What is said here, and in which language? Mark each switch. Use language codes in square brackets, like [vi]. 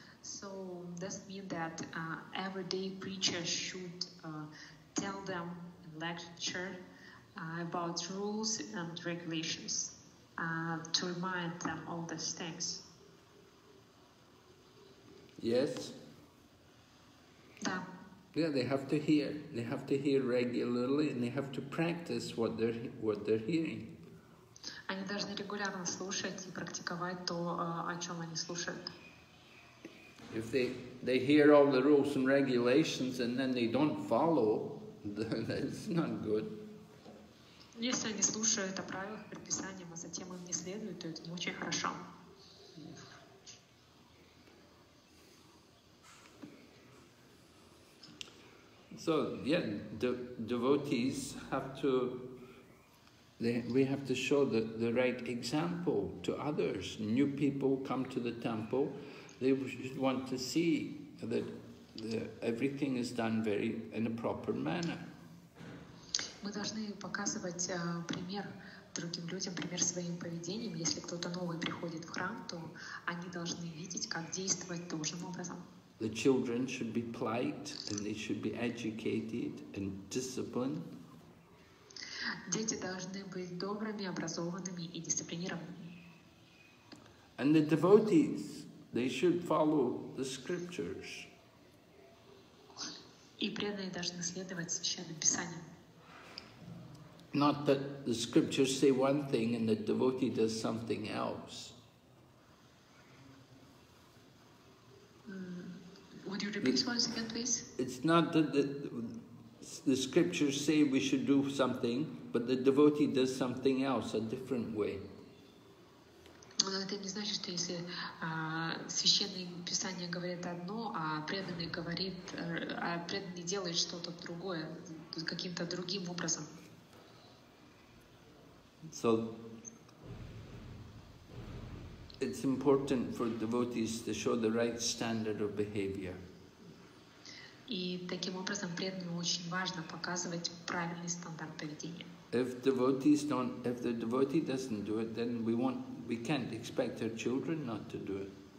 [en] So that means that everyday preacher should tell them in lecture about rules and regulations. To remind them all these things. Yes. [ru] Да. [en] Yeah, they have to hear. They have to hear regularly, and they have to practice what they're hearing. [ru] Они должны регулярно слушать и практиковать то, о чем они слушают. [en] If they hear all the rules and regulations, and then they don't follow, then it's not good. [ru] Если они слушают о правилах, предписаниях, а затем им не следуют, то это не очень хорошо. [en] So, yeah, the devotees have to, we have to show the right example to others. New people come to the temple, they want to see that everything is done very in a proper manner. [ru] Мы должны показывать пример другим людям, пример своим поведением. Если кто-то новый приходит в храм, то они должны видеть, как действовать должным образом. [en] The children should be polite, and they should be educated and disciplined. [ru] Дети должны быть добрыми, образованными и дисциплинированными. [en] And the devotees, they should follow the scriptures. [ru] И преданные должны следовать священным писаниям. [en] Not that the scriptures say one thing and the devotee does something else. Would you repeat once again, please? It's not that the scriptures say we should do something, but the devotee does something else, a different way. [ru] Но это не значит, что если священные писания говорят одно, а преданный говорит, а преданный делает что-то другое, каким-то другим образом. [en] So it's important for devotees to show the right standard of behavior. [ru] И таким образом преданному очень важно показывать правильный стандарт поведения. [en] If the devotee doesn't do it, then we can't expect our children not to do it.